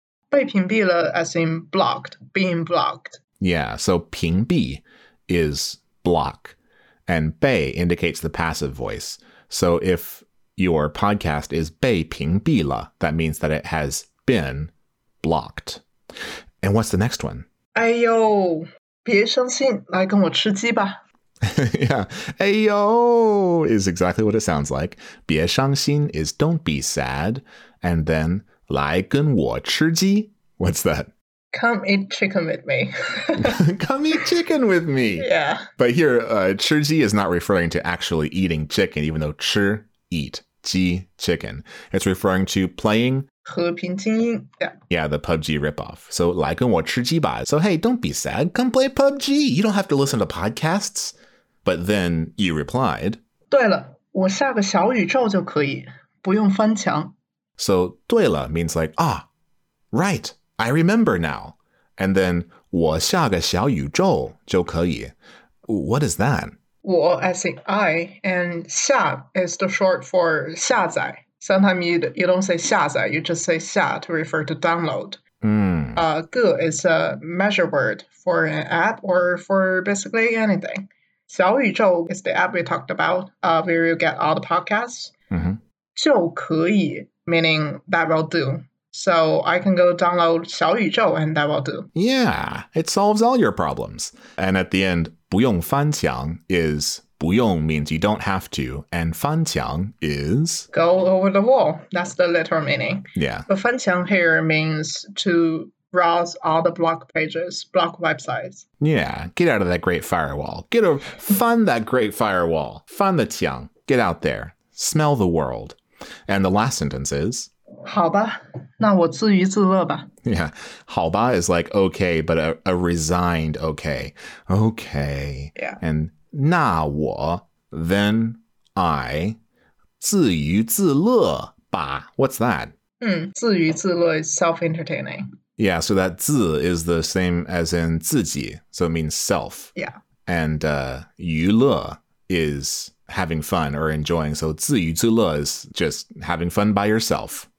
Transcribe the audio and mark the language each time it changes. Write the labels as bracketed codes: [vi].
[zh] 被屏蔽了 [en] as in blocked, being blocked. Yeah, so 屏蔽 is block, and 被 indicates the passive voice. So if your podcast is [zh] 被屏蔽了, [en] that means that it has been blocked. And what's the next one? [zh] 哎呦,别伤心,来跟我吃鸡吧。 [en] Yeah, 哎呦 is exactly what it sounds like. [zh] 别伤心 [en] is don't be sad. And then [zh] 来跟我吃鸡, [en] what's that? Come eat chicken with me. Come eat chicken with me. Yeah. But here, 吃鸡 is not referring to actually eating chicken, even though 吃, eat, 鸡, chicken. It's referring to playing... [zh] 和平精英, yeah. [en] Yeah, the PUBG ripoff. So, [zh] 来跟我吃鸡吧. [en] So, hey, don't be sad. Come play PUBG. You don't have to listen to podcasts. But then you replied, [zh] 对了,我下个小宇宙就可以,不用翻墙. [en] So, [zh] 对了 [en] means like, ah, right, I remember now. And then, [zh] 我下个小宇宙就可以. [en] What is that? 我, as in I, and 下 is the short for 下载. Sometimes you don't say 下载, you just say 下 to refer to download. Ge is a measure word for an app or for basically anything. 小宇宙 is the app we talked about, where you get all the podcasts. [zh] 就可以, [en] meaning that will do. So I can go download 小宇宙 and that will do. Yeah, it solves all your problems. And at the end, [zh] 不用翻墙 [en] is... 不用 means you don't have to, and 翻墙 is... go over the wall. That's the literal meaning. Yeah. But 翻墙 here means to browse all the block pages, block websites. Yeah, get out of that great firewall. Get over, fun that great firewall. [zh] 翻的墙, [en] get out there. Smell the world. And the last sentence is... [zh] 好吧,那我自娱自乐吧. [en] Yeah, 好吧 is like okay, but a resigned okay. Okay. Yeah. And... [zh] 那我, [en] then I, [zh] 自娱自乐吧. [en] What's that? 自娱自乐 is self-entertaining. Yeah, so that 自 is the same as in 自己, so it means self. Yeah. And 娱乐 is having fun or enjoying, so 自娱自乐 is just having fun by yourself.